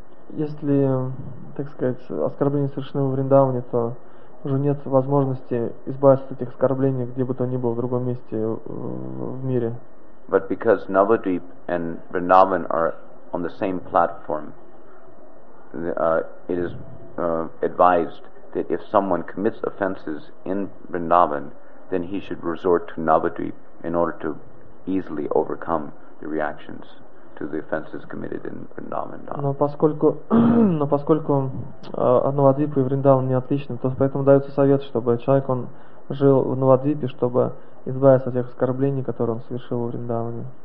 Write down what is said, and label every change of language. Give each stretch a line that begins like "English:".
Russian: Если, так сказать, оскорбление совершено в Вриндаване, то уже нет возможности избавиться от этих оскорблений где бы то ни было в другом месте в мире.
English: But because Navadvip and Vrindavan are on the same platform, it is advised that if someone commits offenses in Vrindavan, then he should resort to Navadvip in order to easily overcome the reactions to the offenses committed in Vrindavan.
Russian: Но поскольку Навадвип и Вриндаван не отличны, то поэтому дается совет, чтобы человек он жил в Навадвипе, чтобы избавиться от тех оскорблений, которые он совершил в Вриндаване.